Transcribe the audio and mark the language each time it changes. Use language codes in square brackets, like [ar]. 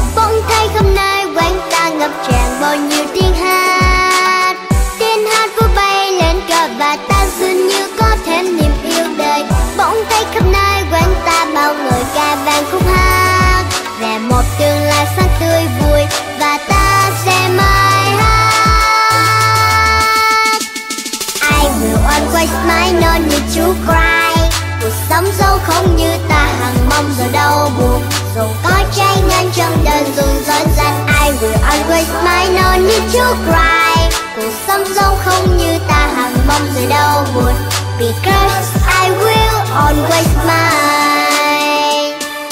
[vi] Bỗng thấy hôm nay quanh ta ngập tràn bao nhiêu tiếng hát, tiếng hát của bay lên cờ và ta dường như có thêm niềm yêu đời. Bỗng thấy hôm nay quanh ta bao người ca vang khúc hát, về một tương lai sáng tươi vui và ta sẽ mãi hát. [en] I will always smile, no need to cry. [vi] Cuộc sống dẫu không như ta hằng mong rồi đau buồn, dù có trái ngang trong đời dù dối gian. [en] I will always smile, no need to cry. [vi] Cuộc sống dẫu không như ta hằng mong rồi đau buồn, [en] because I will always smile.